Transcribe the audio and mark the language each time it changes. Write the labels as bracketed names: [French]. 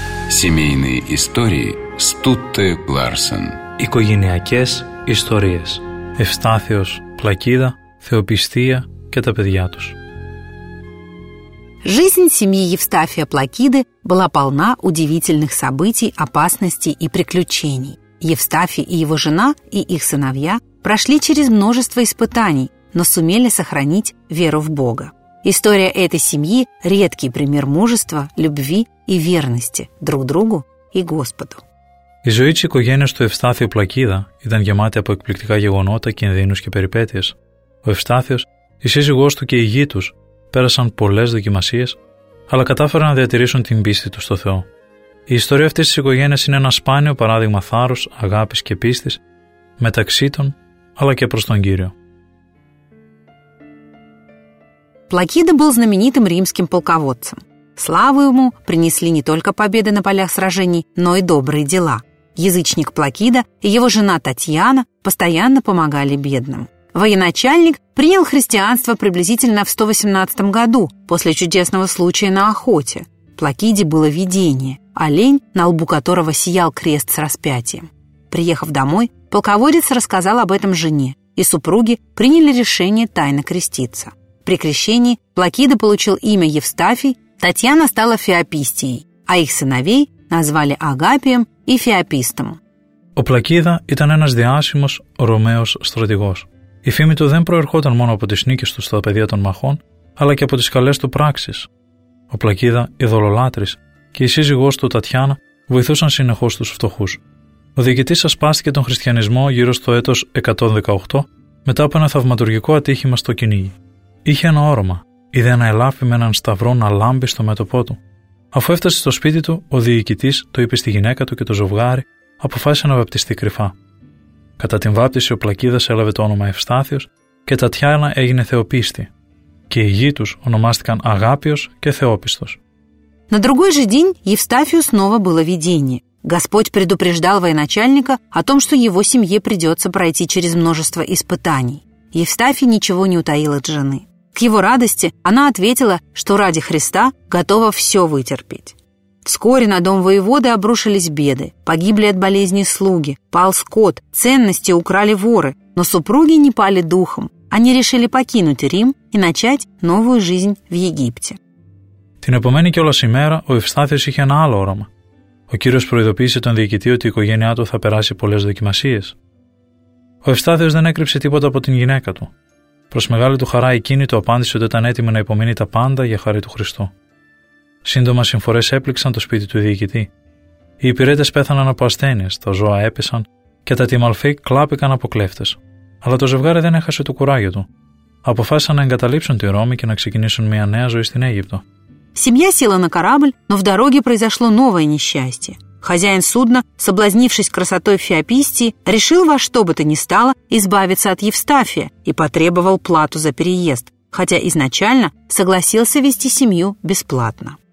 [Russian] Семейные истории Стутте Ларсен. [Greek] Οικογενειακές ιστορίες. Ευστάθιος, Πλακίδα, Θεοπιστία και τα παιδιά τους. [Russian] Жизнь семьи Евстафия Плакиды была полна удивительных событий, опасностей и приключений. Евстафий и его жена и их сыновья прошли через множество испытаний, но сумели сохранить веру в Бога. История этой семьи – редкий пример мужества, любви и верности друг другу и Господу. [Greek] Η ζωή της οικογένειας του Ευστάθιου Πλακίδα ήταν γεμάτη από εκπληκτικά γεγονότα, κινδύνους και περιπέτειες. Ο Ευστάθιος, η σύζυγός του και η γη τους πέρασαν πολλές δοκιμασίες, αλλά κατάφεραν να διατηρήσουν την πίστη τους στο Θεό. Η ιστορία αυτής της οικογένειας είναι ένα σπάνιο παράδειγμα θάρρους, αγάπης και πίστης μεταξύ των, αλλά και προς τον Κύριο. [Russian] Плакида был знаменитым римским полководцем. Славу ему принесли не только победы на полях сражений, но и добрые дела. Язычник Плакида и его жена Татьяна постоянно помогали бедным. Военачальник принял христианство приблизительно в 118 году, после чудесного случая на охоте. Плакиде было видение, олень, на лбу которого сиял крест с распятием. Приехав домой, полководец рассказал об этом жене, и супруги приняли решение тайно креститься. При крещении Плакида получил имя Евстафий, Татьяна стала Феопистией, а их сыновей назвали Агапием и Феопистом. [Greek] Ο Плακίδα ήταν ένας διάσημος Ρωμαίος στρατηγός. Η φήμη του δεν προερχόταν μόνο από τις νίκες του στα πεδία των μαχών, αλλά και από τις καλές του πράξεις. Ο Πλακίδα, ειδωλολάτρης, και η σύζυγός του Τατιάνα βοηθούσαν συνεχώς τους φτωχούς. Ο διοικητής ασπάστηκε τον χριστιανισμό γύρω στο έτος 118, μετά από ένα θαυματουργικό ατύχημα στο κυνήγι. Είχε ένα όραμα. Είδε ένα ελάφι με έναν σταυρό να λάμπει στο μέτωπό του. Αφού έφτασε στο σπίτι του, ο διοικητής το είπε στη γυναίκα του και το ζευγάρι αποφάσισε να βαπτιστεί κρυφά. Κατά την βάπτιση, ο Πλακίδας έλαβε το όνομα Ευστάθιος και Τατιάνα έγινε Θεοπίστη. Και οι γιοι τους ονομάστηκαν Αγάπιος και Θεόπιστος. [Russian] На другой же день Евстафию снова было видение. Господь предупреждал военачальника о том, что его семье придется пройти через множество испытаний. Евстафий ничего не утаил от жены. К его радости она ответила, что ради Христа готова все вытерпеть. Вскоре на дом воеводы обрушились беды. Погибли от болезни слуги, пал скот, ценности украли воры. Но супруги не пали духом. Они решили покинуть Рим и начать новую жизнь в Египте. [Greek] Την επομένη κιόλας ημέρα, ο Ευστάθιος είχε ένα άλλο όραμα. Ο κύριος προειδοποίησε τον διοικητή ότι η οικογένειά του θα περάσει πολλές δοκιμασίες. Ο Ευστάθιος δεν έκρυψε τίποτα από την γυναίκα του. Προς μεγάλη του χαρά, εκείνη του απάντησε ότι ήταν έτοιμη να υπομείνει τα πάντα για χάρη του Χριστού. Σύντομα, συμφορές έπληξαν το σπίτι του διοικητή. Οι υπηρέτες πέθαναν από ασθένειες, τα ζώα έπεσαν και τα τιμαλφί κλάπηκαν από κλέφτες. Αλλά το ζευγάρι δεν έχασε το κουράγιο του. Αποφάσισαν να εγκαταλείψουν τη Ρώμη και να ξεκινήσουν μια νέα ζωή στην Αίγυπτο. [Russian] Семья села на корабль, но в дороге произошло новое несчастье. Хозяин судна, соблазнившись красотой Феопистии, решил во что бы то ни стало избавиться от Евстафия и потребовал плату за переезд, хотя изначально согласился вести семью бесплатно.